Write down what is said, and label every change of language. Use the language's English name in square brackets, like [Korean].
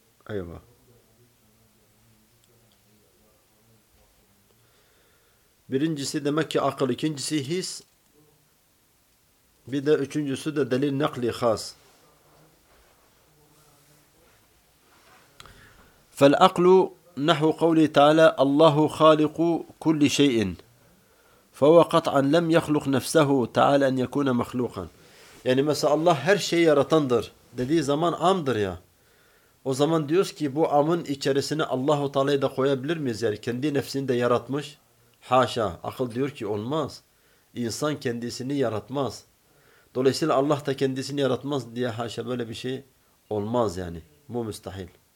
[Turkish] Eyvah. Birincisi demek ki akıl, ikincisi his, bir de üçüncüsü de delil nakli has. [Arabic] فالعقل نحو قوله تعالى الله خالق كل شيء فهو قطعا لم يخلق نفسه تعالى أن يكون مخلوقا. يعني مثلا الله [Turkish] her şeyi yaratandır dediği zaman amdır ya. O zaman diyoruz ki bu amın içerisine Allahu Teala'yı da koyabilir miyiz? Yani kendi nefsini de yaratmış. Haşa. Akıl diyor ki olmaz. İnsan kendisini yaratmaz. Dolayısıyla Allah da kendisini yaratmaz diye haşa böyle bir şey olmaz yani. Bu müstahil.